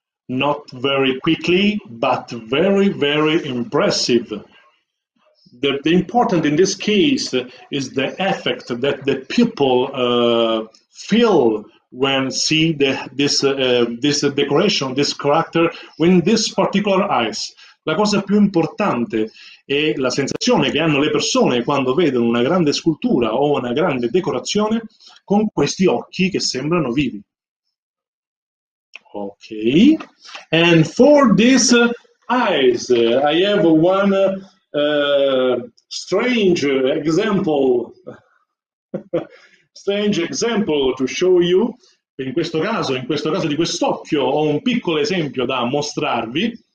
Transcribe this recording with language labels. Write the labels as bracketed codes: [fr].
[en] Not very quickly, but very, very impressive. The important in this case is the effect that the people feel when see this decoration, this character, when this particular eyes. [it] La cosa più importante è la sensazione che hanno le persone quando vedono una grande scultura o una grande decorazione con questi occhi che sembrano vivi. [en] Okay, and for these eyes, I have one strange example. Strange example to show you. [it] In questo caso di quest'occhio, ho un piccolo esempio da mostrarvi.